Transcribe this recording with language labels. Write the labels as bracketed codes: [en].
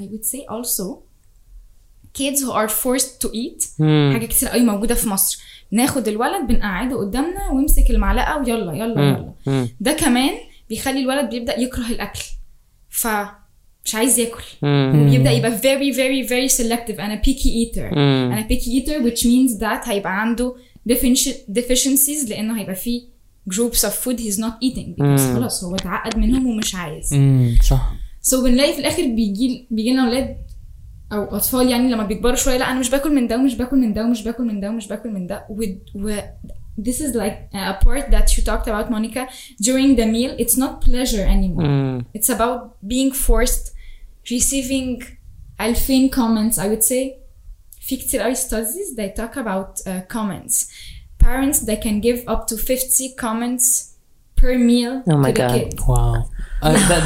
[en] I would say also kids who are forced to eat [ar] حاجة كتير قوي موجودة في مصر, ناخد الولد بنقعده قدامنا ويمسك المعلقة ويلا يلا يلا, ده كمان بيخلي الولد بيبدأ يكره الأكل فمش عايز يأكل, وبيبدأ يبقى [en] very very very selective and a picky eater. And a picky eater which means that [ar] هيبقى عنده [en] deficiencies [ar] لأنه هيبقى فيه [en] groups of food he's not eating because [ar] خلاص هو اتعقد منهم ومش عايز. صح. So بنلاقي في الاخر بيجي لنا اولاد او اطفال يعني لما بيكبروا شويه, لا انا مش باكل من ده ومش باكل من ده ومش باكل من ده ومش باكل من ده, [en] this is like a part that you talked about Monica during the meal, it's not pleasure anymore. It's about being forced, receiving 2000 comments. I would say [ar] في كتير قوي [en] studies they talk about comments. Parents, they can give up to 50 comments per meal. Oh my to the god! Kids. Wow,